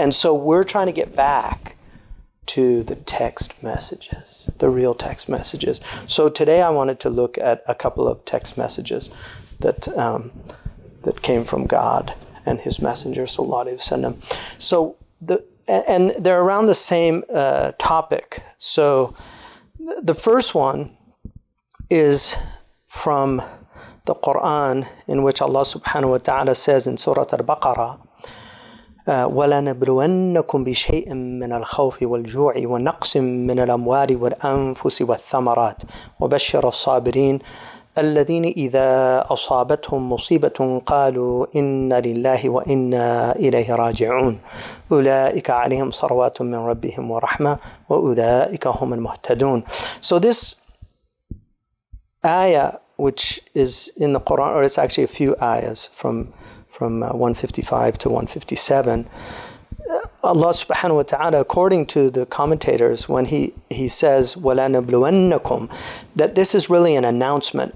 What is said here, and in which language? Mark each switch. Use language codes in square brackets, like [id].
[en] And so we're trying to get back to the text messages, the real text messages. So today I wanted to look at a couple of text messages that that came from God and His messenger, Sallallahu Alaihi Wasallam. So and they're around the same topic. So the first one is from the Quran, in which Allah subhanahu wa ta'ala says in Surah Al-Baqarah, [ar] وَلَنَبْلُوَنَّكُمْ بِشَيْءٍ مِّنَ الْخَوْفِ وَالْجُوعِ وَنَقْسٍ مِّنَ الْأَمْوَالِ وَالْأَنفُسِ وَالثَّمَرَاتِ وَبَشِّرَ الصَّابِرِينَ الَّذِينَ إِذَا أَصَابَتْهُمْ مُصِيبَةٌ قَالُوا إِنَّ لِلَّهِ وَإِنَّا إِلَيْهِ رَاجِعُونَ أُولَئِكَ عَلَيْهِمْ صَرَوَاتٌ مِّن رَبِّهِمْ وَرَحْمَةٌ وَأُولَئِكَ هُمُ الْمُهْتَدُونَ. [en] So this ayah, which is in the Quran, or it's actually a few ayahs from 155 to 157. Allah subhanahu wa ta'ala, according to the commentators, when he says, وَلَنَبْلُوَنَّكُمْ, that this is really an announcement.